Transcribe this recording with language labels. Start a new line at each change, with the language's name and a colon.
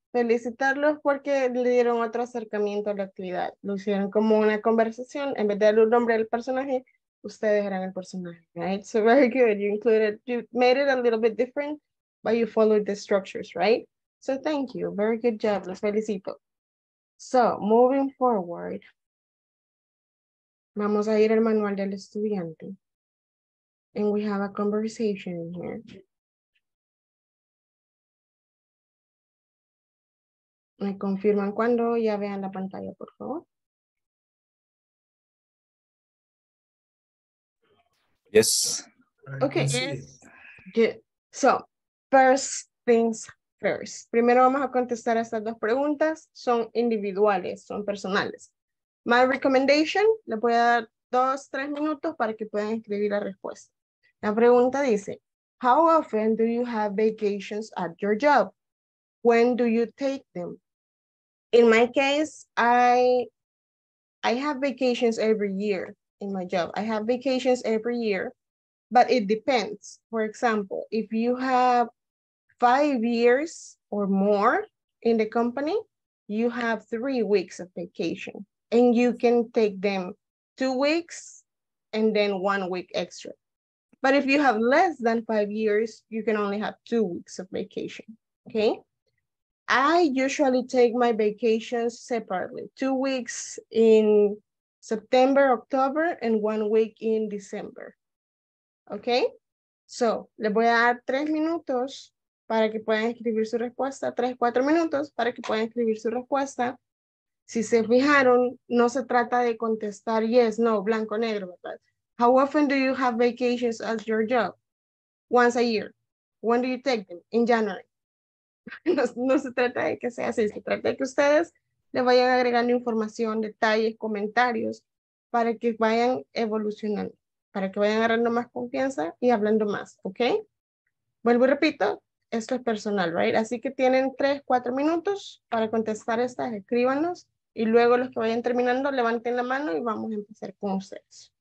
Spanish: Felicitarlos porque le dieron otro acercamiento a la actividad. Lo hicieron como una conversación. En vez de darle un nombre al personaje, ustedes eran el personaje, right?
English: So very good. You included, you made it a little bit different, but you followed the structures, right? So thank you. Very good job.
Spanish: Los felicito.
English: So moving forward,
Spanish: vamos a ir al manual del estudiante.
English: And we have a conversation here.
Spanish: Me confirman cuando ya vean la pantalla, por favor.
English: Yes. Okay. Yes. Good. So, first things first.
Spanish: Primero vamos a contestar estas dos preguntas. Son individuales, son personales.
English: My recommendation,
Spanish: le voy a dar 2-3 minutos para que puedan escribir la respuesta. La pregunta dice,
English: how often do you have vacations at your job? When do you take them? In my case, I have vacations every year. in my job. I have vacations every year, but it depends. For example, if you have 5 years or more in the company, you have 3 weeks of vacation and you can take them 2 weeks and then 1 week extra. But if you have less than 5 years, you can only have 2 weeks of vacation, okay? I usually take my vacations separately, 2 weeks in September, October, and 1 week in December, okay?
Spanish: So, les voy a dar 3 minutos para que puedan escribir su respuesta, 3-4 minutos para que puedan escribir su respuesta. Si se fijaron, no se trata de contestar yes, no, blanco, negro, ¿verdad?
English: How often do you have vacations at your job? Once a year. When do you take them? In January.
Spanish: No se trata de que sea así, se trata de que ustedes le vayan agregando información, detalles, comentarios, para que vayan evolucionando, para que vayan agarrando más confianza y hablando más, ¿ok? Vuelvo y repito, esto es personal, right? Así que tienen 3-4 minutos para contestar estas, escríbanos, y luego los que vayan terminando, levanten la mano y vamos a empezar con ustedes.